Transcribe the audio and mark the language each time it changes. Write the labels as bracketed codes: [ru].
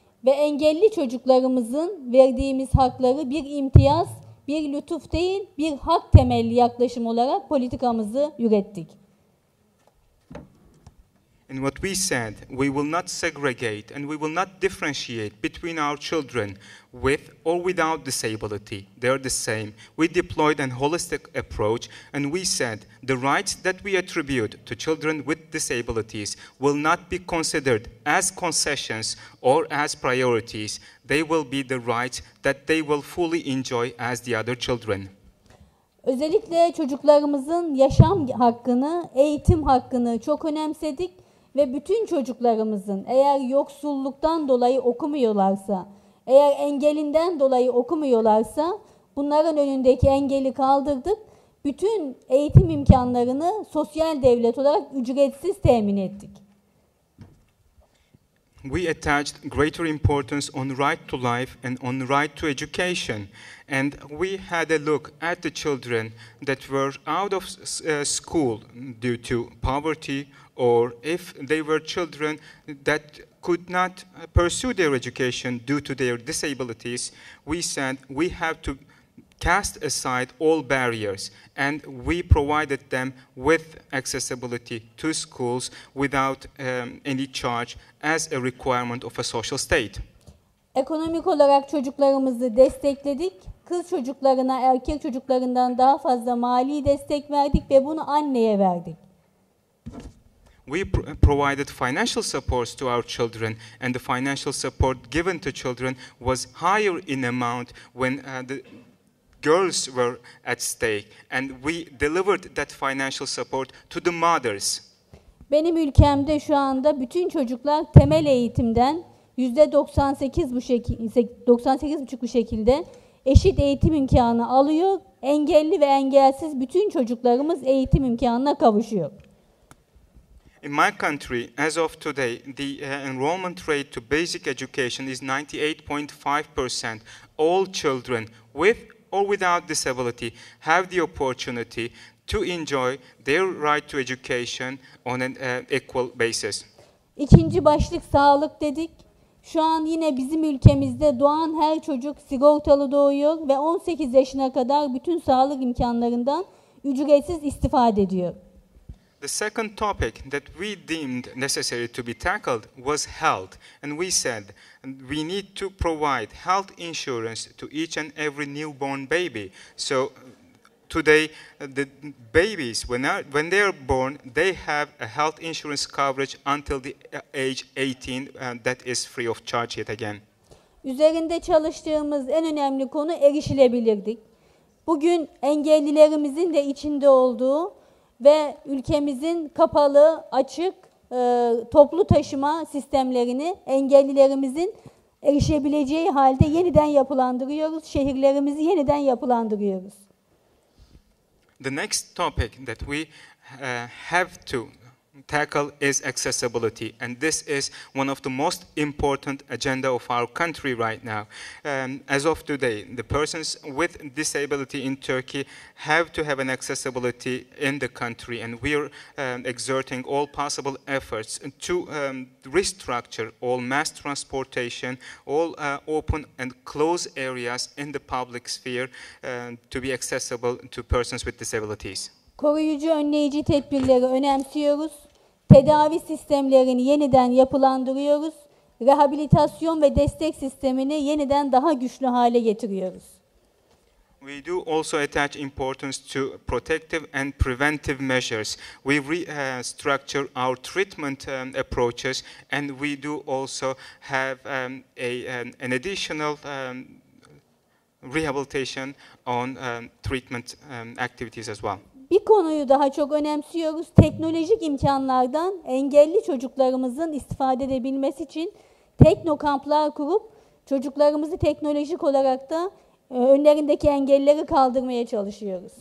[tr] Ve engelli çocuklarımızın verdiğimiz hakları bir imtiyaz, bir lütuf değil, bir hak temelli yaklaşım olarak politikamızı ürettik. [en] And what we said, we will not segregate and we will not differentiate between our children with or without disability. They are the same. We deployed an holistic approach and we said the rights that we attribute to children with disabilities will not be considered as concessions or as priorities. They will be the rights that they will fully enjoy as the other children. [tr] Özellikle çocuklarımızın yaşam hakkını, eğitim hakkını çok önemsedik. Ve bütün çocuklarımızın eğer yoksulluktan dolayı okumuyorlarsa, eğer engelinden dolayı okumuyorlarsa, bunların önündeki engeli kaldırdık. Bütün eğitim imkanlarını sosyal devlet olarak ücretsiz temin ettik. [en] We attached greater importance on right to life and on right to education. And we had a look at the children that were out of school due to poverty, or if they were children that could not pursue their education due to their disabilities, we said we have to cast aside all barriers and we provided them with accessibility to schools without any charge as a requirement of a social state. [tr] Ekonomik olarak çocuklarımızı destekledik. Kız çocuklarına erkek çocuklarından daha fazla mali destek verdik ve bunu anneye verdik. [en] We provided financial supports to our children, and the financial support given to children was higher in amount when the girls were at stake. And we delivered that financial support to the mothers. [tr] Benim ülkemde şu anda bütün çocuklar temel eğitimden %98.5 bu şekilde eşit eğitim imkanı alıyor. Engelli ve engelsiz bütün çocuklarımız eğitim imkanına kavuşuyor. [en] In my country, as of today, the enrollment rate to basic education is 98.5%. All children, with or without disability, have the opportunity to enjoy their right to education on an equal basis. [tr] İkinci başlık sağlık dedik. Şu an yine bizim ülkemizde doğan her çocuk sigortalı doğuyor ve 18 yaşına kadar bütün sağlık imkanlarından ücretsiz istifade ediyor. [en] The second topic that we deemed necessary to be tackled was health. And we said we need to provide health insurance to each and every newborn baby. So today, the babies, when they are born, they have a health insurance coverage until the age 18, and that is free of charge yet again. [tr] üzerinde çalıştığımız en önemli konu erişilebilirlik. Bugün engellilerimizin de içinde olduğu ve ülkemizin kapalı, açık, toplu taşıma sistemlerini engellilerimizin erişebileceği halde yeniden yapılandırıyoruz. Şehirlerimizi yeniden yapılandırıyoruz. [en] The next topic that we have to tackle is accessibility, and this is one of the most important agenda of our country right now. As of today, the persons with disability in Turkey have to have an accessibility in the country, and we are exerting all possible efforts to restructure all mass transportation, all open and closed areas in the public sphere to be accessible to persons with disabilities. [tr] Koruyucu önleyici tedbirleri önemsiyoruz. Tedavi sistemlerini yeniden yapılandırıyoruz. Rehabilitasyon ve destek sistemini yeniden daha güçlü hale getiriyoruz. [en] We do also attach importance to protective and preventive measures. We restructure our treatment approaches, and we do also have an additional rehabilitation on treatment activities as well. [tr] Bir konuyu daha çok önemsiyoruz. Teknolojik imkanlardan engelli çocuklarımızın istifade edebilmesi için teknokamplar kurup çocuklarımızı teknolojik olarak da önlerindeki engelleri kaldırmaya çalışıyoruz.